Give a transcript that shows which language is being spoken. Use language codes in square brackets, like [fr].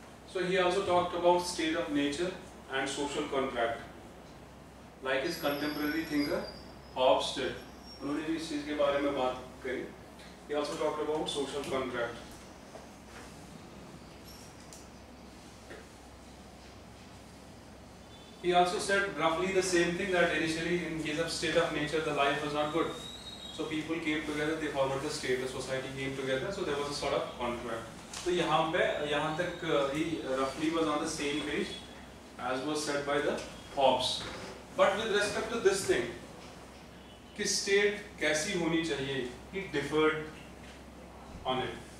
[en] So he also talked about state of nature and social contract, like his contemporary thinker Hobbes did. [hi] उन्होंने भी इस चीज के बारे में बात करी. [en] He also talked about social contract. He also said roughly the same thing that initially in case of state of nature the life was not good. So people came together, they formed the state, the society came together. So there was a sort of contract. [hi] तो यहाँ पे यहाँ तक [en] ही रफली was on the same page as was said by the Hobbs. But with respect to this thing [hi] कि state कैसी होनी चाहिए [en] ही differed on it.